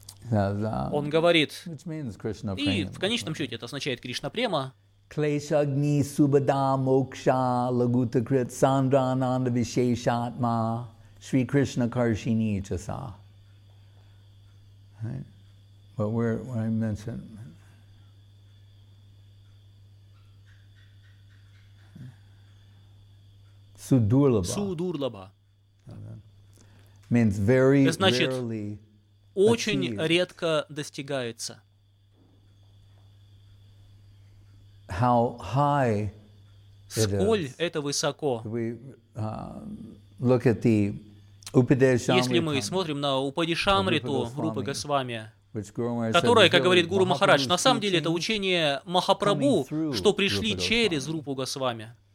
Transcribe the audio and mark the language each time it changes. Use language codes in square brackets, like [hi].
[ru] Он говорит, и в конечном счете это означает Кришна Према, [sa] Клешагни Субада Мокша Лагута Крит Сандра Ананда Вишешатма Шри Кришна Каршини Часа. [en] But where I mentioned, Sudurlaba means very rarely, [ru] очень редко достигается. [en] How high? [ru] Сколь это высоко? [en] We look at the. [ru] Если мы смотрим на Упадишамриту Рупы Госвами, которая, как говорит Гуру Махарадж, на самом деле это учение Махапрабху, что пришли через Рупу Госвами.